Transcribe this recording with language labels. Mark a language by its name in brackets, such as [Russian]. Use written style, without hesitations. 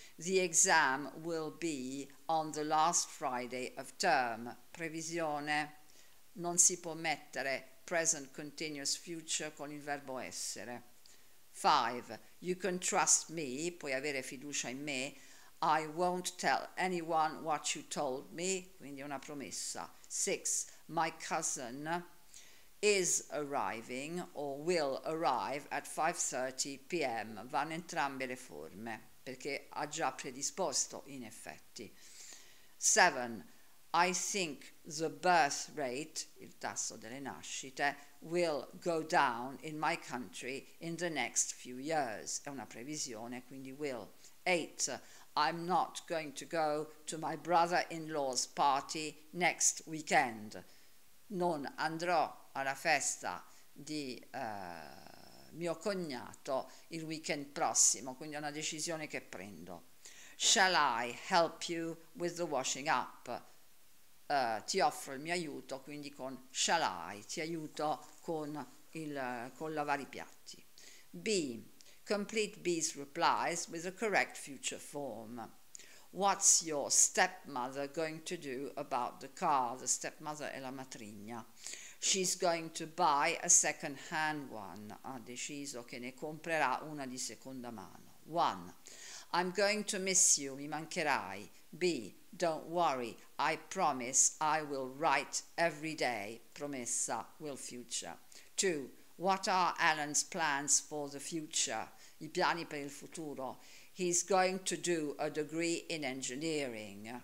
[English] The exam will be on the last Friday of term, previsione. [Italian] Non si può mettere present continuous future con il verbo essere. 5. [English] You can trust me, [Italian] puoi avere fiducia in me. [English] I won't tell anyone what you told me, [Italian] quindi una promessa. [English] 6. My cousin is arriving or will arrive at 5:30 p.m. [Italian] Vanno entrambe le forme, perché ha già predisposto in effetti. [English] 7. I think the birth rate, [Italian] il tasso delle nascite, [English] will go down in my country in the next few years. [Italian] È una previsione, quindi will. [English] 8. I'm not going to go to my brother-in-law's party next weekend. [Italian] Non andrò alla festa di mio cognato il weekend prossimo, quindi è una decisione che prendo. [English] Shall I help you with the washing up? [Italian] Ti offro il mio aiuto, quindi con shall I, ti aiuto con lavare i piatti. B. [English] Complete B's replies with the correct future form. What's your stepmother going to do about the car? The stepmother [Italian] è la matrigna. [English] She's going to buy a second hand one. [Italian] Ha deciso che ne comprerà una di seconda mano. [English] 1. I'm going to miss you, [Italian] mi mancherai. [English] B. Don't worry, I promise I will write every day. Promessa, will future. 2. What are Alan's plans for the future? [Italian] I piani per il futuro. [English] He's going to do a degree in engineering.